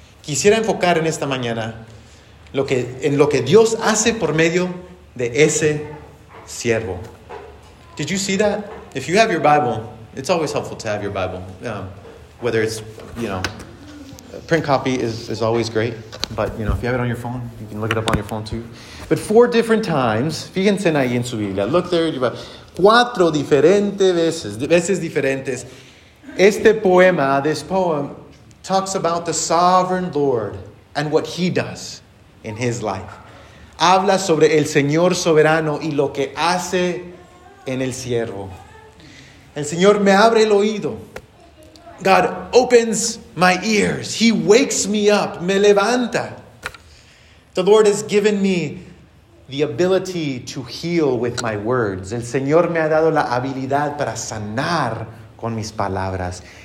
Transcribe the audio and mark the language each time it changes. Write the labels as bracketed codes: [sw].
[es] Quisiera enfocar en esta mañana en lo que Dios hace por medio de ese siervo. [en] Did you see that? If you have your Bible, it's always helpful to have your Bible. Whether it's, you know, print copy is always great. But, you know, if you have it on your phone, you can look it up on your phone too. But four different times, [es] fíjense ahí en su Biblia. [en] Look there, you have [es] cuatro diferentes veces diferentes. Este poema, [en] this poem, talks about the sovereign Lord and what he does in his life. [es] Habla sobre el Señor soberano y lo que hace en el siervo. El Señor me abre el oído. [en] God opens my ears. He wakes me up. [es] Me levanta. [en] The Lord has given me the ability to heal with my words. [es] El Señor me ha dado la habilidad para sanar con mis palabras.